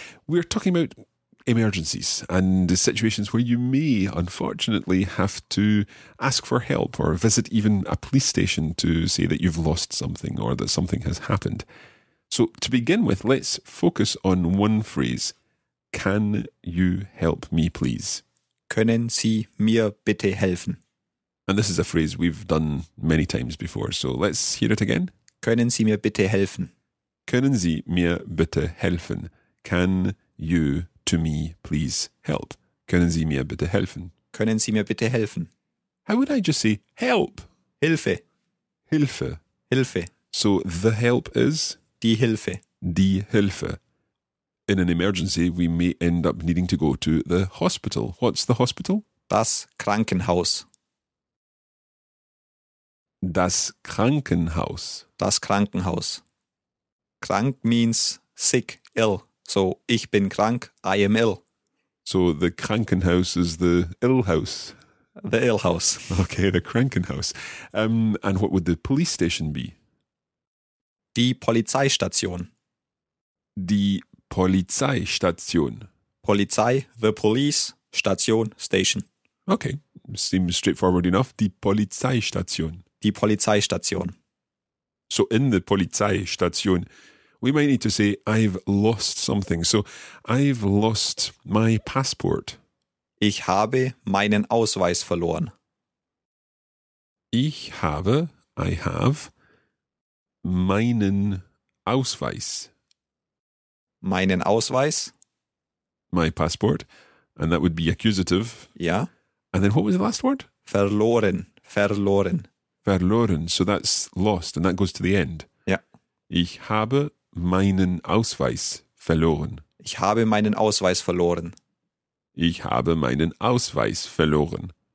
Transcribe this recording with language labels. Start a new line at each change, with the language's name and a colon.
English: We're talking about emergencies and situations where you may, unfortunately, have to ask for help or visit even a police station to say that you've lost something or that something has happened. So to begin with, let's focus on one phrase. Can you help me, please?
German: Können Sie mir bitte helfen?
English: And this is a phrase we've done many times before, so let's hear it again.
German: Können Sie mir bitte helfen? Können Sie mir bitte helfen?
English: Can you, to me, please help?
German: Können Sie mir bitte helfen? Können Sie mir bitte helfen?
English: How would I just say help?
German: Hilfe. Hilfe. Hilfe.
English: So the help is?
German: Die Hilfe. Die Hilfe.
English: In an emergency, we may end up needing to go to the hospital. What's the hospital?
German: Das Krankenhaus. Das Krankenhaus. Das Krankenhaus.
English: Krank means sick, ill. So,
German: ich bin krank,
English: I am ill. So, the Krankenhaus is the ill house. The ill house. Okay, the Krankenhaus. And what would the police station be?
German: Die Polizeistation. Die Polizeistation.
English: Polizei, the police, Station, station. Okay, seems straightforward enough.
German: Die Polizeistation. Die Polizeistation.
English: So in the Polizeistation, we might need to say, I've lost something. So I've lost my passport.
German: Ich habe meinen Ausweis verloren. Ich habe,
English: I have,
German: meinen Ausweis. Meinen Ausweis.
English: My passport. And that would be accusative. Yeah. And then what was the last word?
German: Verloren. Verloren. Verloren.
English: So that's lost and that goes to the end. Yeah.
German: Ich habe meinen Ausweis verloren. Ich habe meinen Ausweis verloren. Ich habe meinen Ausweis verloren.